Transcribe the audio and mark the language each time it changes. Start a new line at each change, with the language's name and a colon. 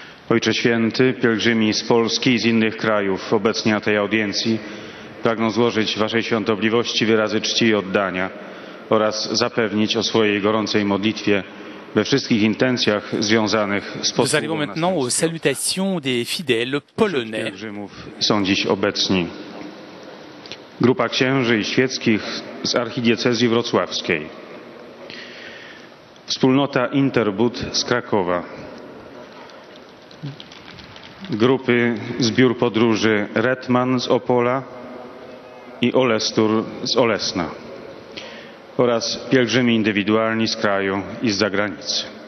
Polish: Ojcze Święty, pielgrzymi z Polski i z innych krajów obecni na tej audiencji pragną złożyć Waszej świątobliwości wyrazy czci i oddania oraz zapewnić o swojej gorącej modlitwie we wszystkich intencjach związanych z posługą.
French: Nous arrivons maintenant aux salutations des fidèles polonais.
Polish: Pielgrzymów są dziś obecni. Grupa księży i świeckich z archidiecezji wrocławskiej. Wspólnota Interbud z Krakowa. Grupy zbiór podróży Retman z Opola i Olestur z Olesna oraz pielgrzymi indywidualni z kraju i z zagranicy.